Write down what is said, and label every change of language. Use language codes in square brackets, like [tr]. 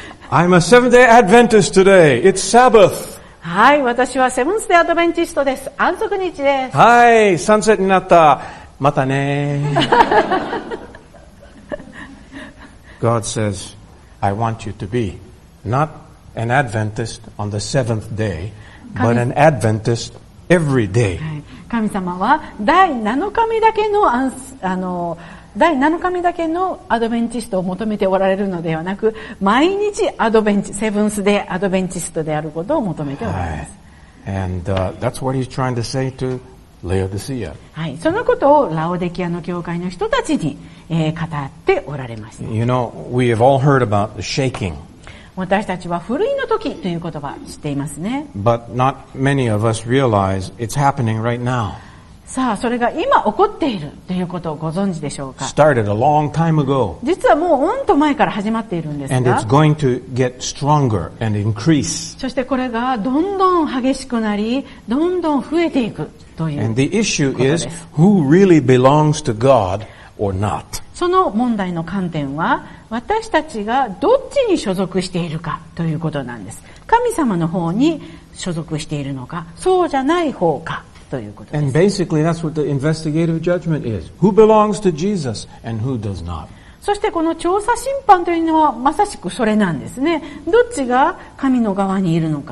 [en] I'm a Seventh-day Adventist today. It's Sabbath. [ja] はい、私はセブンス・デイ・アドベンチストです。安息日です。はい、サンセットになった。またね。 [en] God says, I want you to be not an Adventist on the seventh day, but an Adventist every day. [ja] 神様は第7日目だけの第7日目だけのアドベンチストを求めておられるのではなく、毎日アドベンチ、セブンスでアドベンチストであることを求めております。はい、 [en] And that's what he's trying to say to Laodicea. [ja] はい、そのことをラオデキアの教会の人たちに語っておられました。 [en] You know, we have all heard about the shaking. [ja] 私たちはふるいの時という言葉知っていますね。 [en] But not many of us realize it's happening right now. [ja] さあそれが今起こっているということをご存知でしょうか。 [en] Started a long time ago. [ja] 実はもううんと前から始まっているんですが。 [en] And it's going to get stronger and increase. [ja] そしてこれがどんどん激しくなりどんどん増えていくということです。 [en] And the issue is who really belongs to God or not. [ja] その問題の観点は私たちがどっちに所属しているかということなんです。神様の方に所属しているのかそうじゃない方か。 [en] And basically, that's what the investigative judgment is. Who belongs to Jesus and who does not? [ja] そしてこの調査審判というのはまさしくそれなんですね。どっちが神の側にいるのか。